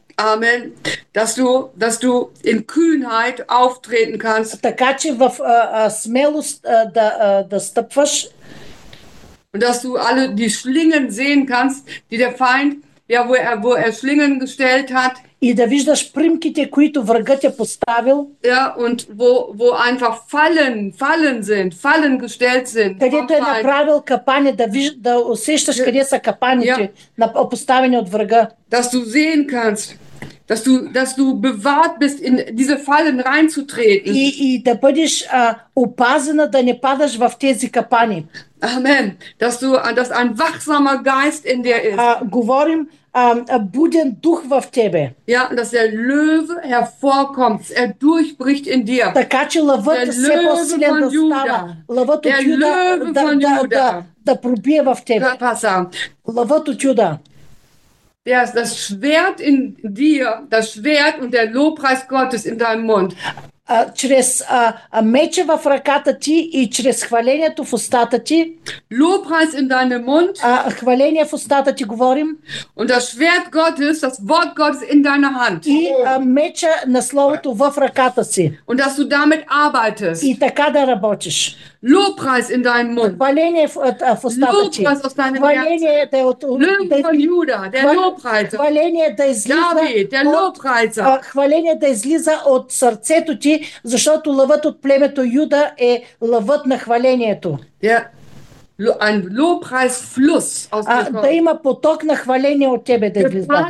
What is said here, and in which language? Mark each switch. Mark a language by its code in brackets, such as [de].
[de] Amen. Dass du in Kühnheit auftreten kannst. [bg] Taka che w smelost da stupvash. [de] Und dass du alle die Schlingen sehen kannst, die der Feind, ja, wo er Schlingen gestellt hat. [bg] И да виждаш примките, които врагът е поставил. [de] Ja, und wo einfach fallen sind, fallen gestellt sind. [bg] Където е направил капани, да усещаш къде са капаните, ja, поставени от врага. [de] Dass du sehen kannst, dass du bewahrt bist, in diese Fallen reinzutreten. [bg] И да бъдеш опазена да не падаш в тези капани. [de] Amen. Dass ein wachsamer Geist in dir ist. [bg] Говорим, буден дух в тебе. [de] Ja, dass der Löwe hervorkommt, er durchbricht in dir. [bg] Така че лъвът все по-силен да става. Лъвът от Юда да пробие в тебе. Лъвът от Юда. [de] das Schwert in dir, das Schwert und der Lobpreis Gottes in deinem Mund. [bg] Чрез меча в ръката ти и чрез хвалението в устата ти. [de] Lobpreis in deinem Mund. [bg] Хваление в устата ти говорим. [de] Und das Schwert Gottes, das Wort Gottes in deiner Hand. [bg] И меча на словото в ръката си. [de] Und dass du damit arbeitest. [bg] И така да работиш. [de] Lobpreis in deinem Mund. [bg] Хваление в устата ти. [de] Lobpreis aus deinem [bg] Хваление да от [de] Юда, der Lobpreis. [bg] Хваление да излиза. [de] David, der Lobpreis. [bg] Хваление да излиза от сърцето ти, защото лъвът от племето Юда е лъвът на хвалението. [de] Ein Lobpreis fluss aus [bg] да има поток на хваление от тебе да излиза.